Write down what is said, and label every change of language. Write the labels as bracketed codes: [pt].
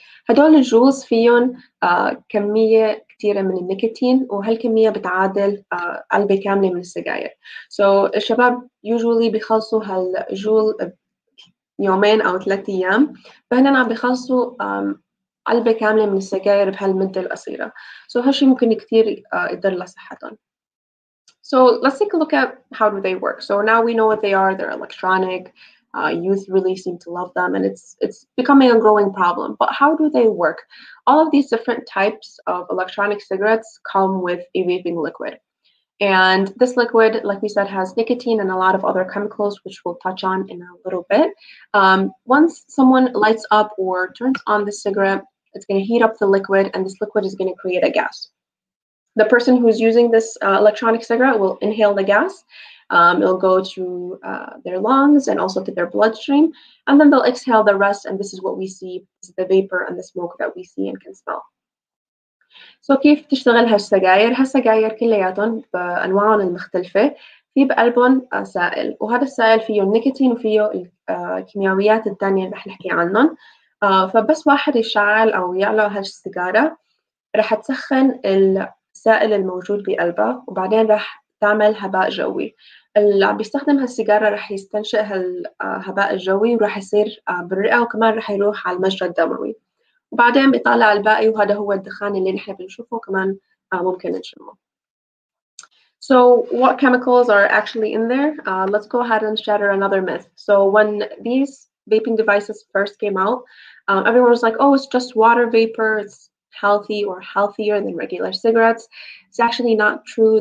[ar] هدول الجولز فيهم كمية كتيرة من النيكوتين، وهالكمية بتعادل علبة كاملة من السجائر. سو الشباب يوجولي بيخلصوا هالجول يومين أو ثلاثة أيام، فهنا عم بيخلصوا علبة كاملة من السجائر بهالمدة القصيرة. سو هالشي ممكن كتير يضر لصحتهم. [en] So let's take a look at how do they work. So now we know what they are. They're electronic. Youth really seem to love them, and it's becoming a growing problem. But how do they work? All of these different types of electronic cigarettes come with a vaping liquid. And this liquid, like we said, has nicotine and a lot of other chemicals, which we'll touch on in a little bit. Once someone lights up or turns on the cigarette, it's going to heat up the liquid, and this liquid is going to create a gas. The person who's using this electronic cigarette will inhale the gas. It'll go to their lungs and also to their bloodstream. And then they'll exhale the rest. And this is what we see, this is the vapor and the smoke that we see and can smell. [ar] So كيف تشتغل هالسجاير؟ هالسجاير كلياتهم بأنواعهم المختلفة في بقلبهم سائل، وهذا السائل فيه النيكوتين وفيه الكيميائيات الثانية اللي رح نحكي عنهم. فبس واحد يشعل أو يعلى هالسجارة رح تسخن السائل الموجود بقلبه، وبعدين رح تعمل هباء جوي. اللي عم بيستخدم هالسيجارة رح يستنشق هالهباء الجوي، ورح يصير بالرئة، وكمان رح يروح على المجرى الدموي، وبعدين بيطلع الباقي، وهذا هو الدخان اللي نحن بنشوفه كمان ممكن نشمه. [en] So what chemicals are actually in there? Let's go ahead and shatter another myth. So when these vaping devices first came out, everyone was like, oh, it's just water vapor. It's healthy or healthier than regular cigarettes. It's actually not true.